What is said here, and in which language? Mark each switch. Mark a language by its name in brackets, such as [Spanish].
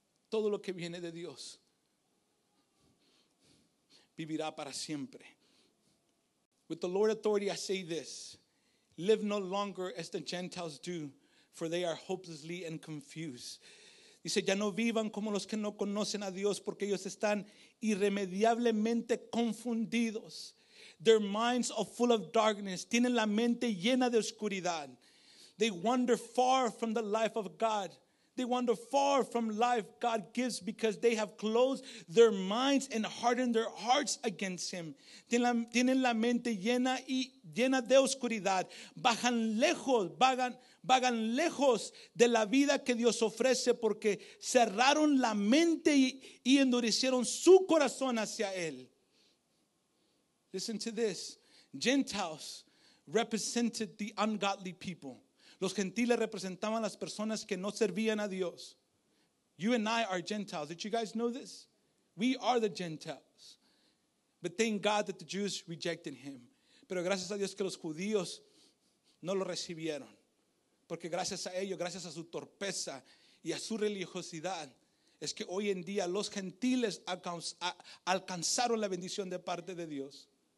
[Spanish] Todo lo que viene de Dios. Vivirá para siempre. [English] With the Lord's authority, I say this. Live no longer as the Gentiles do, for they are hopelessly and confused. [Spanish] Dice, ya no vivan como los que no conocen a Dios, porque ellos están irremediablemente confundidos. [English] Their minds are full of darkness. [Spanish] Tienen la mente llena de oscuridad. [English] They wander far from the life of God. They wander far from life God gives because they have closed their minds and hardened their hearts against Him. [Spanish] Tienen la mente llena y llena de oscuridad. Vagan lejos de la vida que Dios ofrece porque cerraron la mente y endurecieron su corazón hacia Él. [English] Listen to this. Gentiles represented the ungodly people. [Spanish] Los gentiles representaban las personas que no servían a Dios. [English] You and I are Gentiles. Did you guys know this? We are the Gentiles. But thank God that the Jews rejected him. [Spanish] Pero gracias a Dios que los judíos no lo recibieron. Porque gracias a ellos, gracias a su torpeza y a su religiosidad, es que hoy en día los gentiles alcanzaron la bendición de parte de Dios.